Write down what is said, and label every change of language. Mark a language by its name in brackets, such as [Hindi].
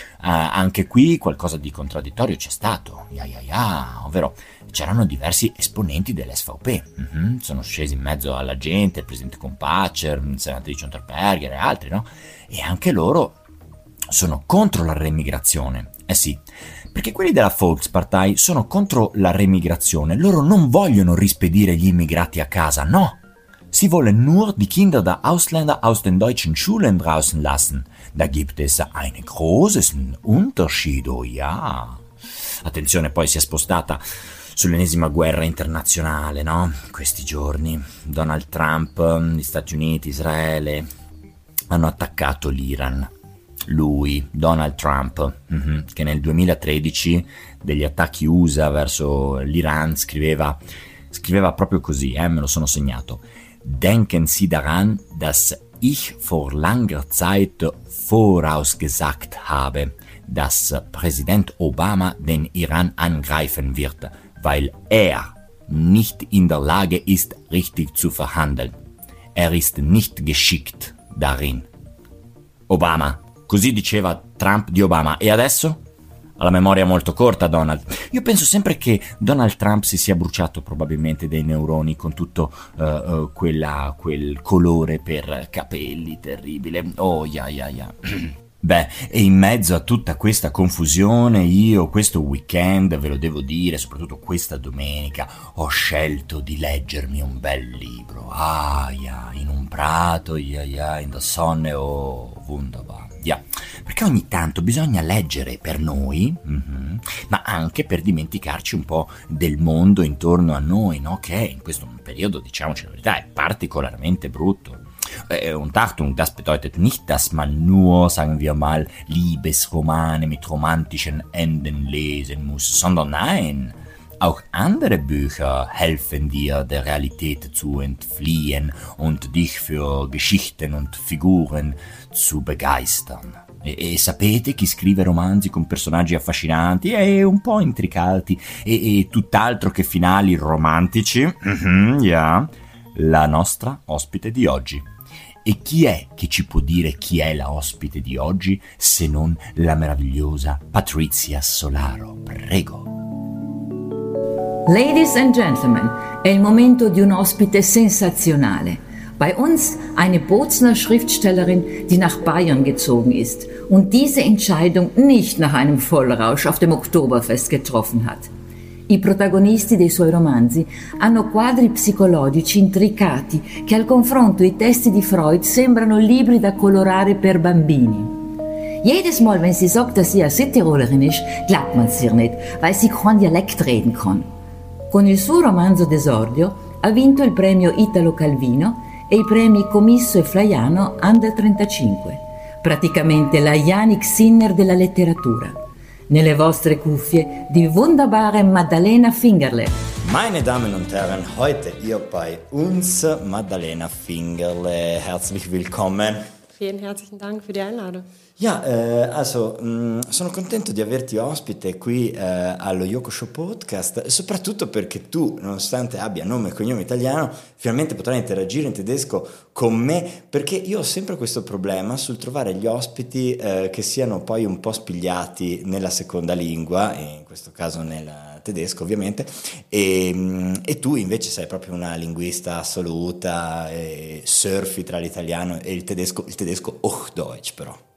[Italian] Anche qui qualcosa di contraddittorio c'è stato, ovvero c'erano diversi esponenti dell'SVP, sono scesi in mezzo alla gente, il presidente Kompatscher, il senatrice Unterberger e altri, no? E anche loro sono contro la remigrazione, eh sì. Perché quelli della Volkspartei sono contro la remigrazione, loro non vogliono rispedire gli immigrati a casa, no! Si vuole [German] nur die Kinder da Ausländer aus den deutschen Schulen draußen lassen. Da gibt es einen großen Unterschied, ja! [Italian] Attenzione, poi si è spostata sull'ennesima guerra internazionale, no? Questi giorni, Donald Trump, gli Stati Uniti, Israele, hanno attaccato l'Iran. Lui, Donald Trump, che nel 2013 degli attacchi USA verso l'Iran scriveva proprio così, me lo sono segnato: [German] Denken Sie daran, dass ich vor langer Zeit vorausgesagt habe, dass Präsident Obama den Iran angreifen wird, weil er nicht in der Lage ist, richtig zu verhandeln. Er ist nicht geschickt darin. Obama. [Italian] Così diceva Trump di Obama. E adesso? Ha la memoria molto corta, Donald. Io penso sempre che Donald Trump si sia bruciato probabilmente dei neuroni con tutto quel colore per capelli terribile. Oh, Beh, e in mezzo a tutta questa confusione, io questo weekend, ve lo devo dire, soprattutto questa domenica, ho scelto di leggermi un bel libro. In un prato, [English] in the sun, [Italian] oh, wunderbar. Perché ogni tanto bisogna leggere per noi, ma anche per dimenticarci un po' del mondo intorno a noi, no? Che in questo periodo, diciamoci la verità, è particolarmente brutto. [German] Untachtung, das bedeutet nicht, dass man nur, sagen wir mal, Liebesromane mit romantischen Enden lesen muss, sondern nein, auch andere Bücher helfen dir, der Realität zu entfliehen und dich für Geschichten und Figuren zu begeistern. [Italian] E sapete, chi scrive romanzi con personaggi affascinanti e un po' intricati e tutt'altro che finali romantici? La nostra ospite di oggi. E chi è che ci può dire chi è la ospite di oggi se non la meravigliosa Patrizia Solaro? Prego. [English] Ladies and gentlemen, [Italian] è il momento di un ospite sensazionale. [German] Bei uns eine Bozner Schriftstellerin, die nach Bayern gezogen ist und diese Entscheidung nicht nach einem Vollrausch auf dem Oktoberfest getroffen hat. [Italian] I protagonisti dei suoi romanzi hanno quadri psicologici intricati che al confronto i testi di Freud sembrano libri da colorare per bambini. [German] Jedes Mal, wenn sie sagt, dass sie eine Südtirolerin ist, glaubt man sie nicht, weil sie kein Dialekt reden kann. [Italian] Con il suo romanzo d'esordio ha vinto il premio Italo Calvino e i premi Comisso e Flaiano Under 35, praticamente la Yannick Sinner della letteratura. Nelle vostre cuffie, [German] die wunderbare [Italian] Maddalena Fingerle. [German] Meine Damen und Herren, heute hier bei uns Maddalena Fingerle. Herzlich willkommen. Vielen herzlichen Dank für die Einladung. [Italian] Sono contento di averti ospite qui allo Yoko Show Podcast, soprattutto perché tu, nonostante abbia nome e cognome italiano, finalmente potrai interagire in tedesco con me, perché io ho sempre questo problema sul trovare gli ospiti che siano poi un po' spigliati nella seconda lingua, in questo caso nel tedesco ovviamente, e tu invece sei proprio una linguista assoluta, e surfi tra l'italiano e il tedesco Hochdeutsch però.